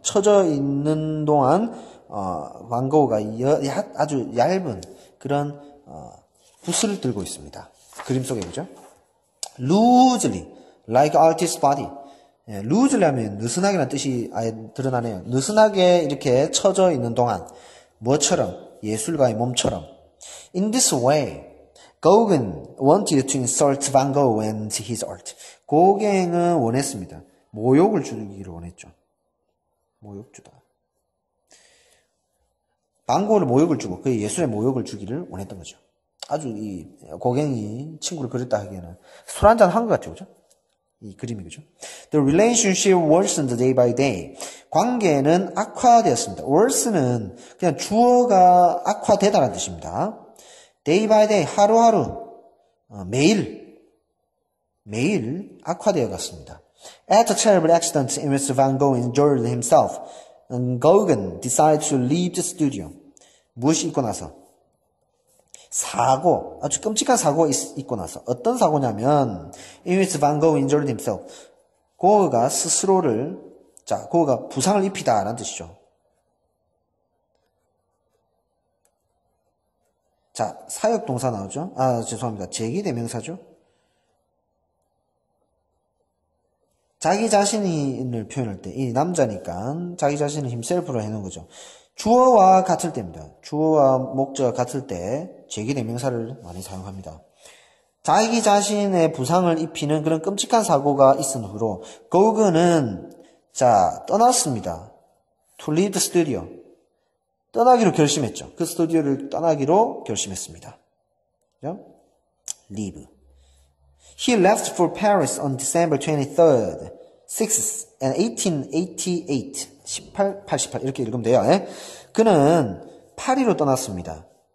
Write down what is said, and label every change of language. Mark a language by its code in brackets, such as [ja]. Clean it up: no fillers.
[ko] 처져 있는 동안 반 고흐가 아주 얇은 그런 붓을 들고 있습니다. 그림 속에 그죠? [en] Loosely, like artist's body. [ko] 예, loosely 하면 느슨하게란 뜻이 아예 드러나네요. 느슨하게 이렇게 처져 있는 동안 뭐처럼 예술가의 몸처럼. [en] In this way, Gauguin wanted to insult Van Gogh and his art. [ko] 고갱은 원했습니다. 모욕을 주기를 원했죠. 모욕 주다. 반고흐를 모욕을 주고 그의 예술에 모욕을 주기를 원했던 거죠. 아주 이 고갱이 친구를 그렸다 하기에는 술 한잔 한것 같아요. 그죠? 이 그림이 그죠? [en] The relationship worsened day by day. [ko] 관계는 악화되었습니다. Worsen은 그냥 주어가 악화되다라는 뜻입니다. [en] Day by day, [ko] 하루하루, 매일. 매일 악화되어 갔습니다. [en] At a terrible accident in which Van Gogh injured himself, Gauguin decided to leave the studio. [ko] 무엇이 있고 나서? 사고, 아주 끔찍한 사고가 있고 나서. 어떤 사고냐면, [en] in which Van Gogh injured himself. [ko] 고흐가 스스로를, 자, 고흐가 부상을 입히다, 라는 뜻이죠. 자, 사역동사 나오죠? 아, 죄송합니다. 제기대명사죠? 자기 자신을 표현할 때, 이 남자니까, 자기 자신을 힘셀프로 해놓은 거죠. 주어와 같을 때입니다. 주어와 목적 같을 때, 제기대명사를 많이 사용합니다. 자기 자신의 부상을 입히는 그런 끔찍한 사고가 있은 후로, 고그는, 자, 떠났습니다. [en] To leave the studio. [ko] 떠나기로 결심했죠. 그 스튜디오를 떠나기로 결심했습니다. 그죠? Leave. [en] He left for Paris on December 23rd, 6th, and 1888. [ko] 이렇게 읽으면 돼요. 예? 그는 파리로 떠났습니다.